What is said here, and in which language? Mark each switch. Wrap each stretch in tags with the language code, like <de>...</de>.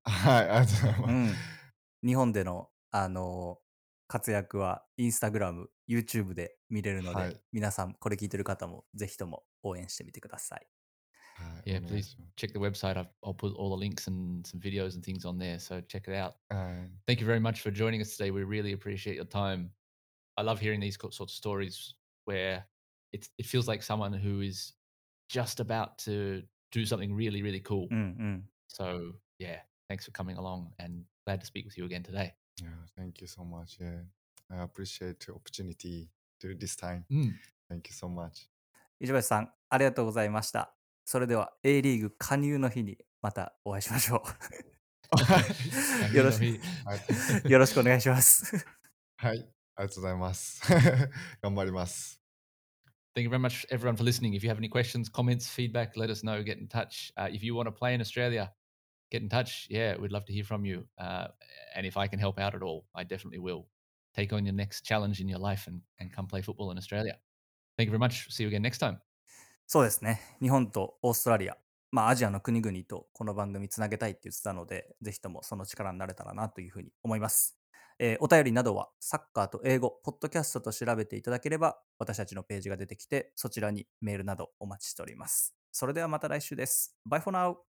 <ja>はい、ありがとうございます。日本での、活躍はインスタグラム、YouTube で見れるので、はい、皆さんこれ聞いてる方もぜひとも応援してみてください。はい、</ja> <en>yeah, please check the website. I'll put all the links and some videos and things on there, so check it out. Thank you very much for joining us today. We really appreciate your time. I love hearing these sorts of stories where it feels like someone who is just about to do something really, really cool. So yeah, thanks for coming along and glad to speak with you again today. Yeah, thank you so much. Yeah, I appreciate the opportunity to this time. Thank you so much.</en> <ja>石橋さん、ありがとうございました。それでは A リーグ加入の日にまたお会いしましょう。よろしくお願いします。はい、ありがとうございます。頑張ります。</ja> <en>Thank you very much everyone for listening. If you have any questions, comments, feedback, let us know. Get in touch. If you want to play in Australia,Get in touch. Yeah, we'd love to hear from you. And if I can help out at all, I definitely will. Take on your next challenge in your life and come play football in Australia. Thank you very much. See you again next time.</en> <ja>そうですね。日本とオーストラリア、まあアジアの国々とこの番組つなげたいって言ってたので、ぜひともその力になれたらなというふうに思います。お便りなどはサッカーと英語、ポッドキャストと調べていただければ、私たちのページが出てきて、そちらにメールなどお待ちしております。それではまた来週です。</ja> <en>Bye for now!</en>